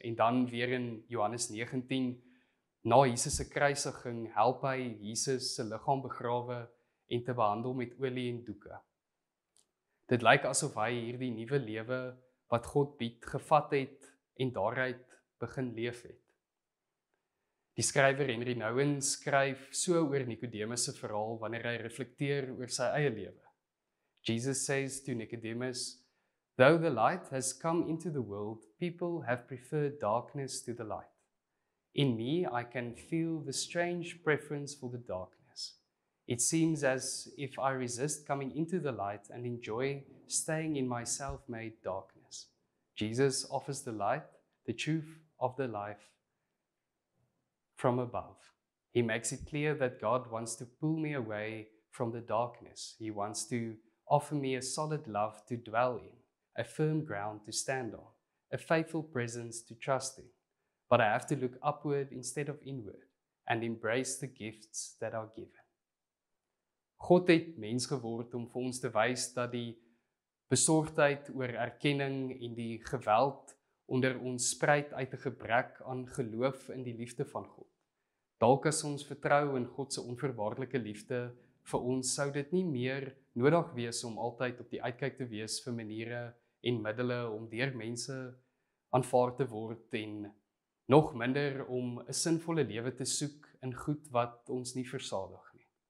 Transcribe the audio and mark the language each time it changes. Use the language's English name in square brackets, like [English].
[Afrikaans] En dan weer in Johannes 19, na Jesus se kruisiging, help hy Jesus se liggaam begrawe en te behandel met olie en doeke. Dit lyk asof hy hierdie nuwe lewe wat God bied gevat het en daaruit begin leef het. Die skrywer Henry Nouwen skryf so oor Nikodemus se verhaal wanneer hy reflekteer oor sy eie lewe. [English] Jesus says to Nicodemus, though the light has come into the world, people have preferred darkness to the light. In me, I can feel the strange preference for the darkness. It seems as if I resist coming into the light and enjoy staying in my self-made darkness. Jesus offers the light, the truth of the life from above. He makes it clear that God wants to pull me away from the darkness. He wants to offer me a solid love to dwell in, a firm ground to stand on, a faithful presence to trust in. But I have to look upward instead of inward and embrace the gifts that are given. [Afrikaans] God het mens geword om vir ons te wys dat die besorgdheid oor erkenning en die geweld onder ons spruit uit 'n gebrek aan geloof in die liefde van God. Dalk as ons vertrou in God se onvoorwaardelike liefde vir ons, sou dit nie meer nodig wees om altyd op die uitkyk te wees vir maniere en middele om deur mense aanvaar te word en nog minder om 'n sinvolle lewe te soek in goed wat ons nie versadig nie.